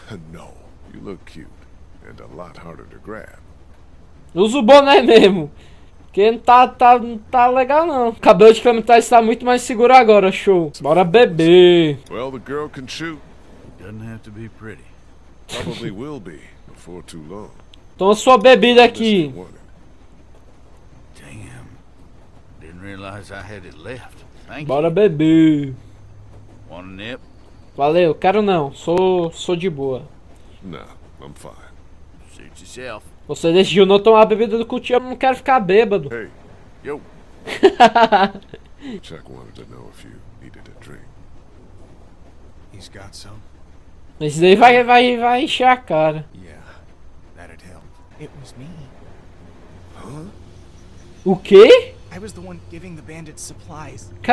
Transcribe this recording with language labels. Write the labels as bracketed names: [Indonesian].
[English] No, you look cute and a lot harder to grab. [Portuguese] Usa o boné mesmo. Porque não tá legal não. Cabelo de clementar está muito mais seguro agora, show. Bora beber. [English] Well, the girl can shoot. Doesn't have to be pretty. Probably will be before too long. [Portuguese] Toma sua bebida aqui. [English] Damn. Didn't realize I had it left. Thank you. [Portuguese] Bora beber. [English] Want a nip? [Portuguese] Valeu, quero não. Sou de boa. Não, [English] I'm fine. Suit yourself. [Portuguese] Você decidiu não tomar a bebida do cutia, eu não quero ficar bêbado. [English] Hey, yo. Chuck wanted to know if you needed a drink. He's got some. [Portuguese] Esse daí vai encher a cara. [English] Yeah, that'd help. It was me. [Portuguese] Huh? O quê? [English] I was the one giving the bandits supplies.